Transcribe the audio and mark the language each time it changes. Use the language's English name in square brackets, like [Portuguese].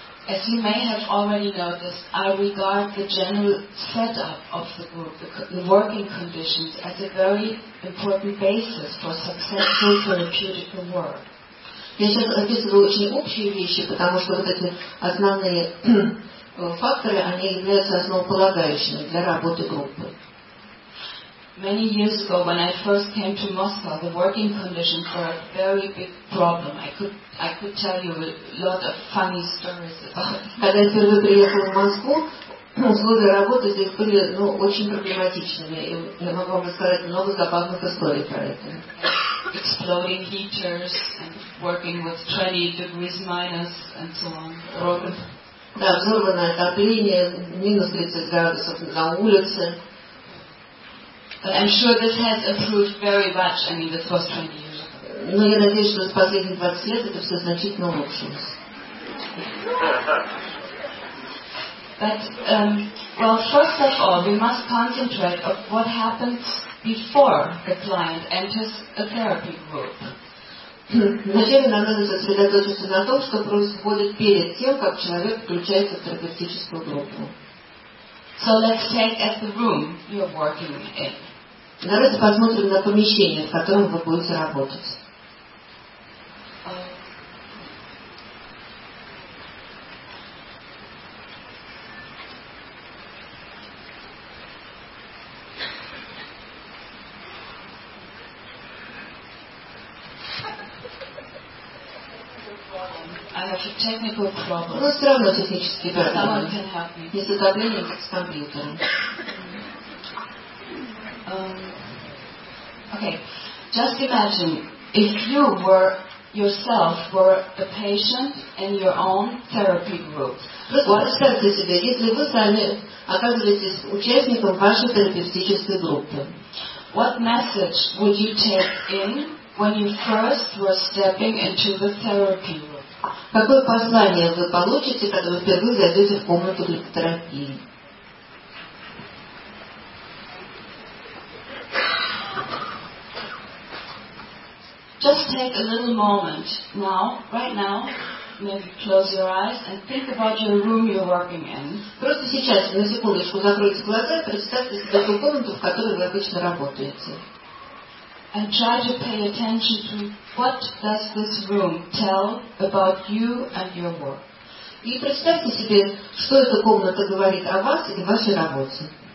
[English] As you may have already noticed, I regard the general setup of the group, the working conditions, as a very important basis for successful therapeutic work. [Russian] Я сейчас описываю очень общие вещи, потому что вот эти основные факторы, они являются основополагающими для работы группы. [English] Many years ago, when I first came to Moscow, the working conditions were a very big problem. I could tell you a lot of funny stories about it. Exploding heaters and working with 20 degrees minus and so on. [Russian] Да, взорванное отопление, минус 30 градусов на улице. [English] But I'm sure this has improved very much. I mean, this was 20 years ago. [Russian] Но я надеюсь, что за последние 20 лет это все значительно улучшилось. [English] But, well, first of all, we must concentrate on what happened before the client enters a therapy group. [Russian] Вначале нам надо сосредоточиться на том, что происходит перед тем, как человек включается в терапевтическую группу. [English] So let's take as the room you're working in. [Russian] Давайте посмотрим на помещение, в котором вы будете работать. [English] Technical problems. [Russian] Но все равно технические проблемы. Не с отоплением, как с компьютером. [English] Okay. Just imagine, if you were yourself were a patient in your own therapy group. [Russian] Просто представьте себе, если вы сами оказываетесь участником вашей терапевтической группы. [English] What message would you take in when you first were stepping into the therapy room? [Russian] Какое послание вы получите, когда вы впервые зайдете в комнату для терапии? [English] Just take a little moment now, right now, maybe close your eyes and think about your room you're working in. [Russian] Просто сейчас, на секундочку, закройте глаза и представьте себе ту комнату, в которой вы обычно работаете. [English] And try to pay attention to what does this room tell about you and your work. [Russian] И представьте себе, что эта комната говорит о вас и вашей работе.